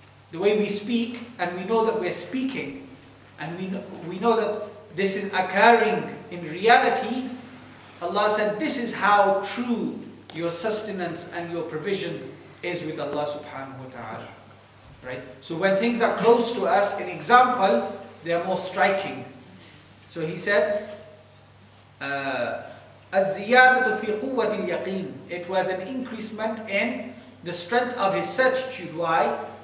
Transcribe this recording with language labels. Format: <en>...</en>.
<en>The way we speak, and we know that we're speaking, and we know that this is occurring in reality, Allah said, this is how true your sustenance and your provision is with Allah subhanahu wa ta'ala. Right? So when things are close to us, in example, they are more striking. So he said,</en> <ar>الزِّيَادَةُ فِي قُوَّةِ الْيَقِينِ.</ar> <en>It was an increasement in the strength of his certitude. Why?</en>